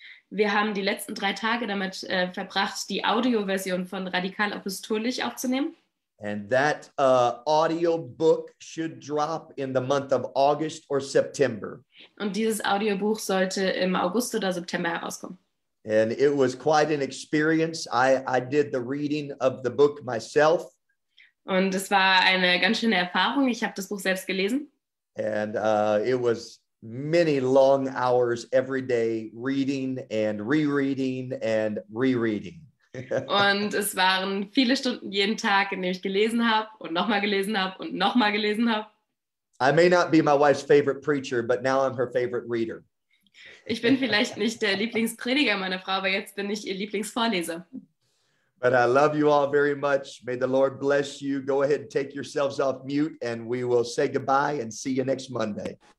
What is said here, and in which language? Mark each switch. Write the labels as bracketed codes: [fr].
[de] Wir haben die letzten 3 Tage damit verbracht, die Audioversion von Radikal Apostolisch aufzunehmen. [en] And that audio book should drop in the month of August or September. [de] Und dieses Audiobuch sollte im August oder September herauskommen. [en] And it was quite an experience. I did the reading of the book myself. [de] Und es war eine ganz schöne Erfahrung. Ich habe das Buch selbst gelesen. [en] And it was many long hours every day reading and rereading and rereading. [de] Und es waren viele Stunden jeden Tag, in dem ich gelesen habe und nochmal gelesen habe und nochmal gelesen habe. [en] I may not be my wife's favorite preacher, but now I'm her favorite reader. [de] Ich bin vielleicht nicht der Lieblingsprediger meiner Frau, aber jetzt bin ich ihr Lieblingsvorleser. [en] But I love you all very much. May the Lord bless you. Go ahead and take yourselves off mute and we will say goodbye and see you next Monday.